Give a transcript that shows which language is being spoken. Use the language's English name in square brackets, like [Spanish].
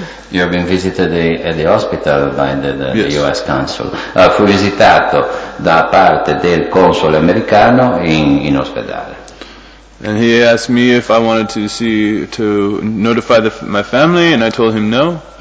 [English] You have been visited at the hospital by the U.S. consul. [Italian] Fui visitato da parte del console americano in ospedale. [English] And he asked me if I wanted to see to notify my family, and I told him no.